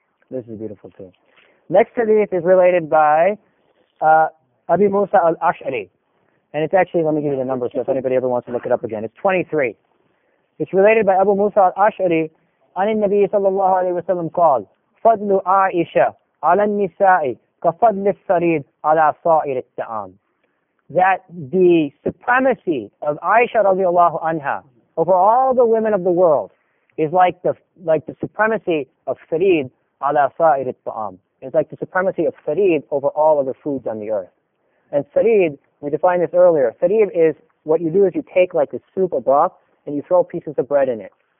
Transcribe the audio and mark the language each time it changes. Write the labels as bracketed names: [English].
[English] This is beautiful too. Next hadith is related by Abi Musa al-Ash'ari. And it's actually, let me give you the number so if anybody ever wants to look it up again. It's 23. It's related by Abu Musa al-Ash'ari. [Arabic] عن النبي صلى الله عليه وسلم قال فضل عائشة على النساء كفضل السريد على صائر الطعام. [English] That the supremacy of Aisha radiallahu anha over all the women of the world is like the supremacy of sarid ala sa'ir al-ta'am. It's like the supremacy of sarid over all other foods on the earth. And sarid, we defined this earlier, sarid is what you do is you take like a soup or broth and you throw pieces of bread in it.